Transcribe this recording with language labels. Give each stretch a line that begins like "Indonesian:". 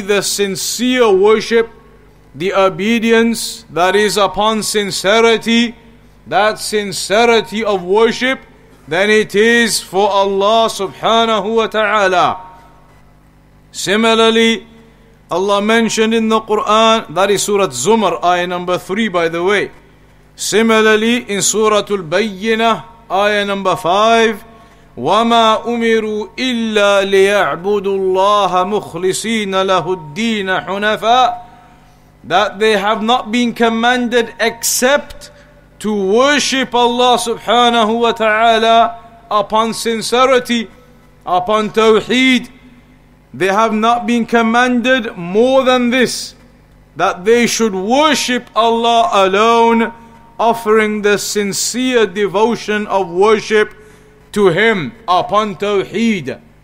English: the sincere worship, the obedience that is upon sincerity, that sincerity of worship, then it is for Allah subhanahu wa ta'ala. Similarly, Allah mentioned in the Quran, that is Surah Zumar, ayah number 3 by the way. Similarly, in Surah Al-Bayyinah, ayah number 5,
Arabic: وَمَا أُمِرُوا إِلَّا لِيَعْبُدُوا اللَّهَ مُخْلِصِينَ لَهُ الدِّينَ حُنَفَاءَ.
English: That they have not been commanded except to worship Allah subhanahu wa ta'ala upon sincerity, upon tawheed. They have not been commanded more than this, that they should worship Allah alone, offering the sincere devotion of worship to Him upon Tawheed.